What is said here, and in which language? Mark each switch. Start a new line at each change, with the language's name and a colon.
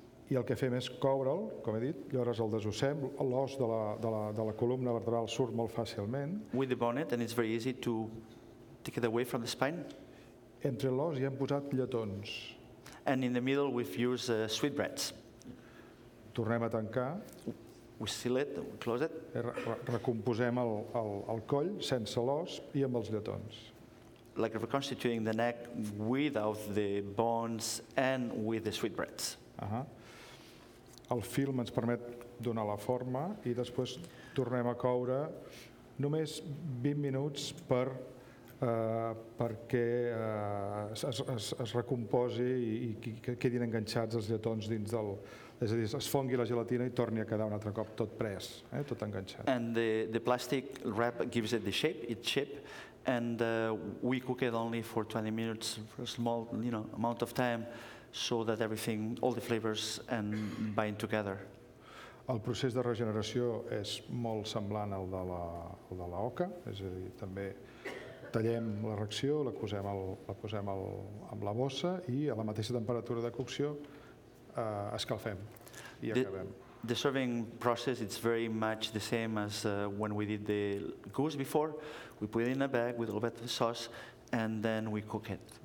Catalan: I el que fem és coure'l, com he dit, llavors el desossem, l'os de la columna vertebral surt molt fàcilment.
English: With the bonnet, and it's very easy to take it away from the spine.
Catalan: Entre l'os hi hem posat lletons.
English: And in the middle we've used sweetbreads.
Catalan: Tornem a tancar.
English: We seal it, we close it.
Catalan: Recomposem el coll sense l'os I amb els lletons.
English: Like reconstituting the neck without the bones and with the sweetbreads.
Catalan: El film ens permet donar la forma I després tornem a coure només 20 minuts perquè es recomposi I quedin enganxats els lletons dins del... És a dir, es fongui la gelatina I torni a quedar un altre cop tot pres, tot enganxat.
English: And the plastic wrap gives it the shape, its shape, and we cook it only for 20 minutes, for a small, you know, amount of time, so that everything, all the flavors, and bind together.
Catalan: El procés de regeneració és molt semblant al de la oca, és a dir, també tallem la reacció, la posem amb la bossa I a la mateixa temperatura de cocció escalfem I acabem.
English: The serving process is very much the same as when we did the goose before. We put it in a bag with a little bit of sauce and then we cook it.